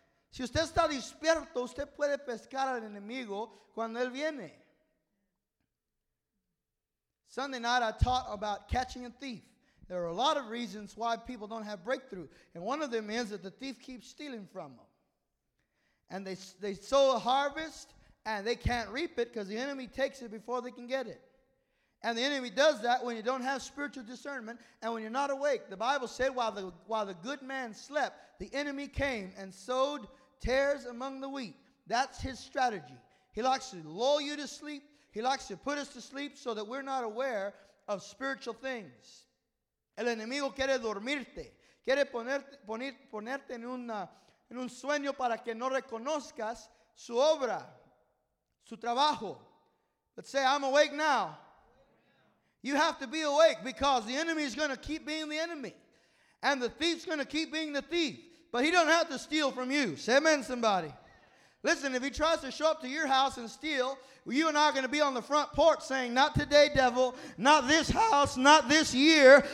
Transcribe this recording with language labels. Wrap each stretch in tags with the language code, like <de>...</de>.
<es>Si usted está despierto, usted puede pescar al enemigo cuando él viene.</es> <en>Sunday night, I taught about catching a thief. There are a lot of reasons why people don't have breakthrough. And one of them is that the thief keeps stealing from them. And they sow a harvest, And they can't reap it because the enemy takes it before they can get it. And the enemy does that when you don't have spiritual discernment and when you're not awake. The Bible said while the good man slept, the enemy came and sowed tares among the wheat. That's his strategy. He likes to lull you to sleep. He likes to put us to sleep so that we're not aware of spiritual things.</en> <es>El enemigo quiere dormirte. Quiere ponerte en un sueño para que no reconozcas su obra, su trabajo.</es> <en>Let's say, I'm awake now. You have to be awake because the enemy is going to keep being the enemy. And the thief's going to keep being the thief. But he don't have to steal from you. Say amen, somebody. Listen, if he tries to show up to your house and steal, you and I are going to be on the front porch saying, not today, devil, not this house, not this year.</en>